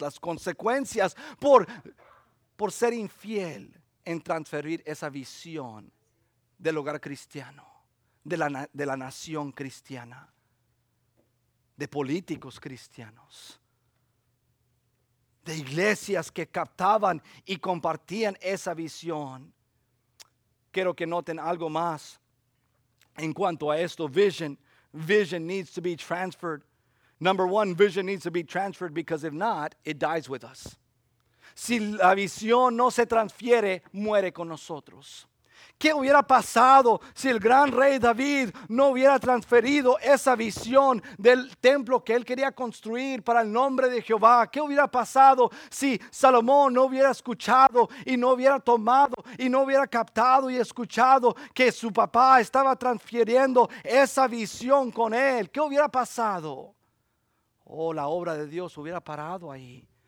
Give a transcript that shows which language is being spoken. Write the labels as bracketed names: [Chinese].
[Spanish] Las consecuencias por ser infiel en transferir esa visión del hogar cristiano, de la nación cristiana, de políticos cristianos, de iglesias que captaban y compartían esa visión. Quiero que noten algo más en cuanto a esto. [English] Vision needs to be transferred. Number one, vision needs to be transferred because if not, it dies with us. [Spanish] Si la visión no se transfiere, muere con nosotros. ¿Qué hubiera pasado si el gran rey David no hubiera transferido esa visión del templo que él quería construir para el nombre de Jehová? ¿Qué hubiera pasado si Salomón no hubiera escuchado y no hubiera tomado y no hubiera captado y escuchado que su papá estaba transfiriendo esa visión con él? ¿Qué hubiera pasado? Oh, la obra de Dios hubiera parado ahí.